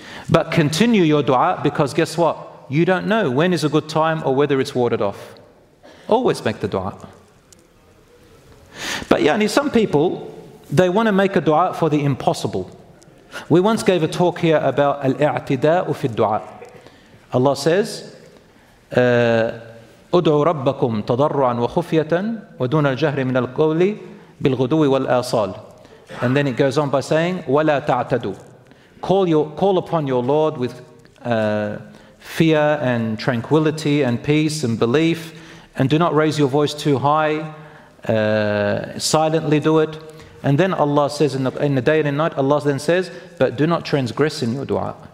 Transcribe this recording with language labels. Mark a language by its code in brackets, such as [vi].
[en] But continue your dua, because guess what? You don't know when is a good time or whether it's warded off. Always make the dua. But yani, some people, they want to make a dua for the impossible. We once gave a talk here about al-i'tida'u fi dua. Allah says, [ar] ادعوا ربكم تضرعا وخفية ودون الجهر من القول بالغدو والآصال. [en] And then it goes on by saying, [ar] ولا تعتدوا. [en] Call upon your Lord with fear and tranquility and peace and belief, and do not raise your voice too high. Silently do it. And then Allah says in the day and in night, Allah then says, but do not transgress in your dua.